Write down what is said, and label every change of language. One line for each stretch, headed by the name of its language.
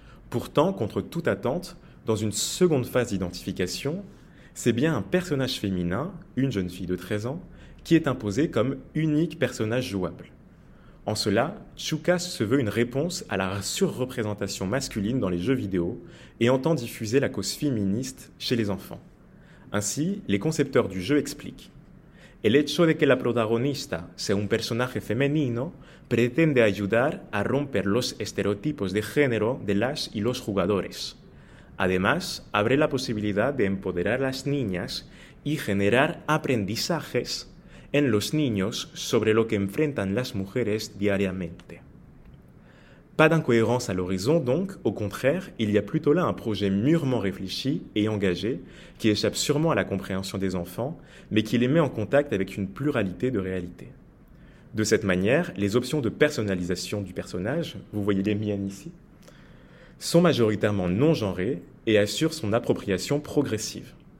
French: Pourtant, contre toute attente, dans une seconde phase d'identification, c'est bien un personnage féminin, une jeune fille de 13 ans, qui est imposé comme unique personnage jouable. En cela, Chuka se veut une réponse à la surreprésentation masculine dans les jeux vidéo et entend diffuser la cause féministe chez les enfants. Ainsi, les concepteurs du jeu expliquent:
Spanish: El hecho de que la protagonista sea un personaje femenino pretende ayudar a romper los estereotipos de género de las y los jugadores. Además, abre la posibilidad de empoderar a las niñas y generar aprendizajes en los niños sobre lo que enfrentan las mujeres diariamente.
French: Pas d'incohérence à l'horizon, donc, au contraire, il y a plutôt là un projet mûrement réfléchi et engagé, qui échappe sûrement à la compréhension des enfants, mais qui les met en contact avec une pluralité de réalités. De cette manière, les options de personnalisation du personnage, vous voyez les miennes ici, sont majoritairement non genrées et assurent son appropriation progressive.